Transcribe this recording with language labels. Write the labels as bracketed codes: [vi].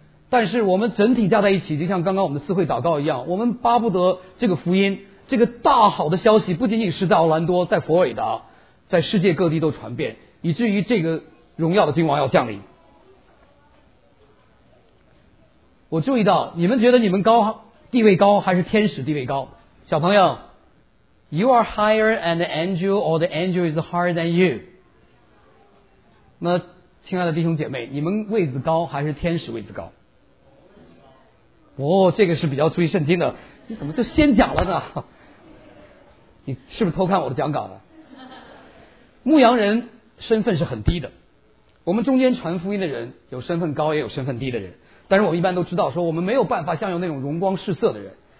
[zh] 但是我们整体加在一起，就像刚刚我们的四会祷告一样，我们巴不得这个福音，这个大好的消息不仅仅是在奥兰多，在佛罗里达，在世界各地都传遍，以至于这个荣耀的君王要降临。我注意到你们觉得你们高地位高还是天使地位高？小朋友 [en] ，You are higher than the angel, or the angel is higher than you。 [zh] 那亲爱的弟兄姐妹，你们位子高还是天使位子高？哦，这个是比较注意圣经的。你怎么就先讲了呢？你是不是偷看我的讲稿了？牧羊人身份是很低的，我们中间传福音的人有身份高也有身份低的人，但是我们一般都知道说我们没有办法像有那种荣光世色的人。